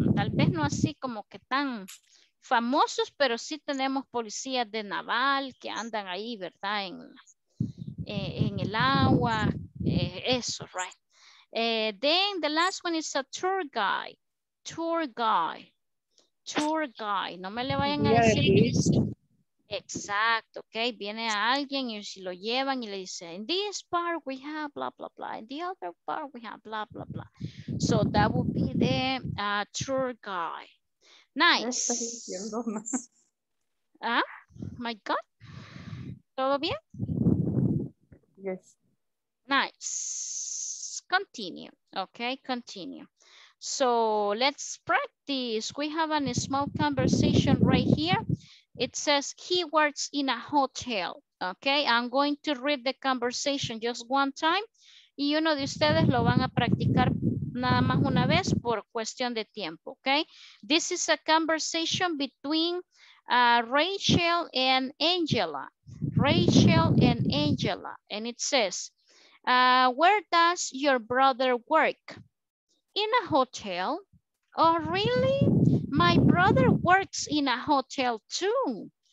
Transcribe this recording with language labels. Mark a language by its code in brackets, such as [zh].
[es] Tal vez no así como que tan famosos, pero sí tenemos policías de naval que andan ahí, ¿verdad? En el agua, eso, right? [en] Then the last one is a tour guide. Tour guide. Tour guide. [es] No me le vayan a decir. Exacto, okay. Viene alguien y si lo llevan y le dice, [en] in this part we have blah, blah, [es] blah. [en] In the other part we have blah, blah, blah. So that would be the tour guide. Nice. Ah, my God. [es] ¿Todo bien? [en] Yes. Nice. Continue, okay, continue. So let's practice. We have a small conversation right here. It says he works in a hotel, okay? I'm going to read the conversation just one time [es] y uno de ustedes lo van a practicar nada más una vez por cuestión de tiempo, okay? [en] This is a conversation between Rachel and Angela. Rachel and Angela, and it says, where does your brother work? In a hotel. Oh, really? My brother works in a hotel too.